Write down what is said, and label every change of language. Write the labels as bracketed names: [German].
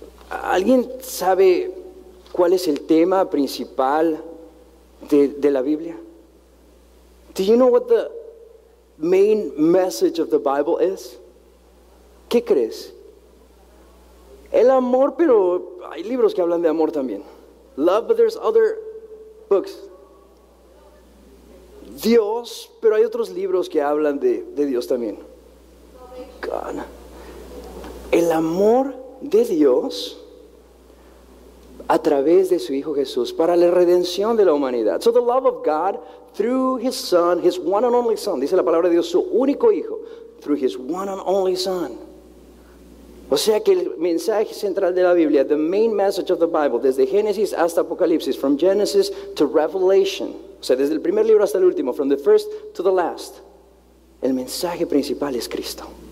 [Spanish] ¿Alguien sabe cuál es el tema principal de la Biblia? [English] Do you know what the main message of the Bible is? [Spanish] ¿Qué crees? El amor, pero hay libros que hablan de amor también. [English] Love, but there's other books. [Spanish] Dios, pero hay otros libros que hablan de Dios también. God. El amor de Dios a través de su Hijo Jesús para la redención de la humanidad. [English] So the love of God through His Son, His one and only Son. [Spanish] Dice la palabra de Dios, su único Hijo. [English] Through His one and only Son. [Spanish] O sea que el mensaje central de la Biblia, [English] the main message of the Bible, [Spanish] desde Génesis hasta Apocalipsis, [English] from Genesis to Revelation, [Spanish] o sea, desde el primer libro hasta el último, [English] from the first to the last, [Spanish] el mensaje principal es Cristo.